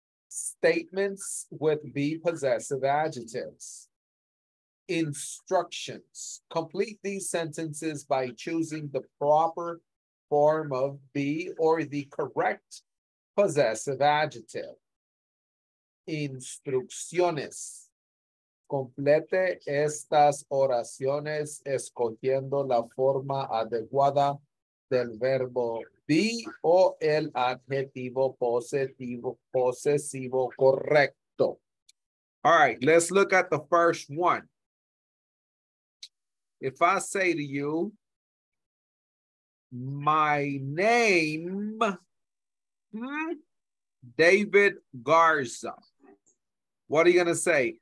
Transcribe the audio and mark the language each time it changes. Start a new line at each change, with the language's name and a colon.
English: Statements with be possessive adjectives. Instructions. Complete these sentences by choosing the proper form of be or the correct possessive adjective.
Spanish: Instrucciones. Complete estas oraciones escogiendo la forma adecuada del verbo be o el adjetivo positivo, posesivo correcto.
English: All right, let's look at the first one. If I say to you, my name, David Garza, what are you going to say?